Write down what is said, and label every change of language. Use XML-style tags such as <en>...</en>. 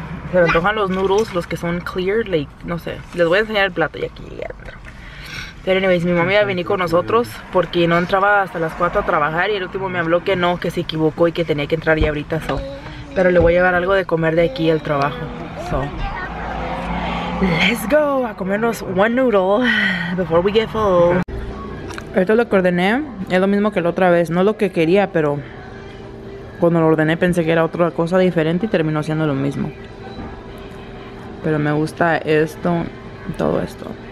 <es>Se me antojan los noodles, los que son clear, like, no sé. Les voy a enseñar el plato y aquí adentro. Pero anyways, mi mamá iba a venir con nosotros porque no entraba hasta las 4 a trabajar. Y el último me habló que no, que se equivocó y que tenía que entrar ya ahorita. So. Pero le voy a llevar algo de comer de aquí al trabajo.</es> <en>So. Let's go</en> <es>a comernos</es> <en>one noodle before we get full.</en> <es>Ahorita lo que ordené es lo mismo que la otra vez. No lo que quería, pero cuando lo ordené pensé que era otra cosa diferente y terminó siendo lo mismo. Pero me gusta esto, todo esto.</es>